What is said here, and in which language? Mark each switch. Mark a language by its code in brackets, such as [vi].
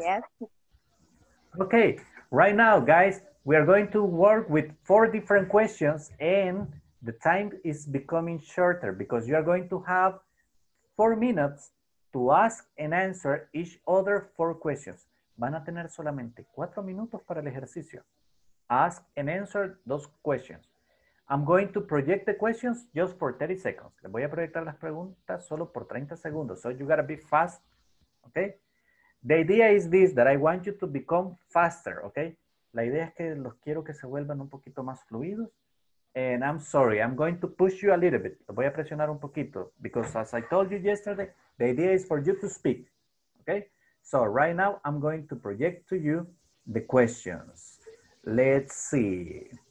[en] Yes. Okay, right now, guys, we are going to work with four different questions, and the time is becoming shorter because you are going to have 4 minutes to ask and answer each other 4 questions. [es] Van a tener solamente 4 minutos para el ejercicio. [en] Ask and answer those questions. I'm going to project the questions just for 30 seconds. [es] Les voy a proyectar las preguntas solo por 30 segundos. [en] So you gotta be fast, okay? The idea is this, that I want you to become faster, okay? [es] La idea es que los quiero que se vuelvan un poquito más fluidos. [en] And I'm sorry, I'm going to push you a little bit. [es] Lo voy a presionar un poquito. [en] Because as I told you yesterday, the idea is for you to speak, okay? So right now, I'm going to project to you the questions. Let's see.